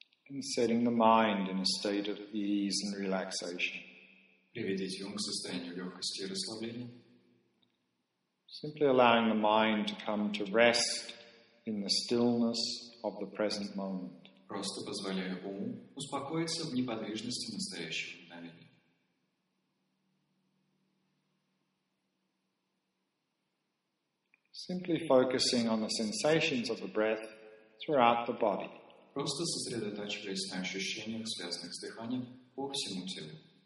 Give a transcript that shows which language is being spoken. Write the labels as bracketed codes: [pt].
[en] And setting the mind in a state of ease and relaxation. [ru] Приведите ум к состоянию легкости и расслабления. [en] Simply allowing the mind to come to rest in the stillness of the present moment. [ru] Просто позволяя уму успокоиться в неподвижности настоящего мгновения. [en] simply focusing on the sensations of the breath throughout the body. [ru] Просто сосредотачиваясь на ощущениях, связанных с дыханием по всему телу.